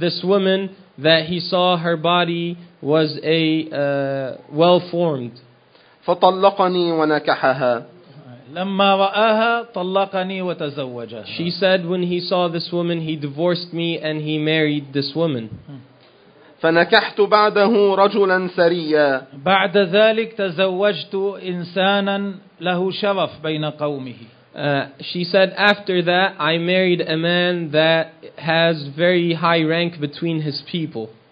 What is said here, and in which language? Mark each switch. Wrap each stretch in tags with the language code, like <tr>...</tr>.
<en>This woman that he saw, her body was a well formed.</en> <ar>فطلقني ونكحها. لما رآها طلقني وتزوجها.</ar> <en>She said, when he saw this woman, he divorced me and he married this woman.</en> <ar>فنكحت بعده رجلا سريا. بعد ذلك تزوجت إنسانا له شرف بين قومه.</ar> <en>She said, after that, I married a man that has very high rank between his people.</en>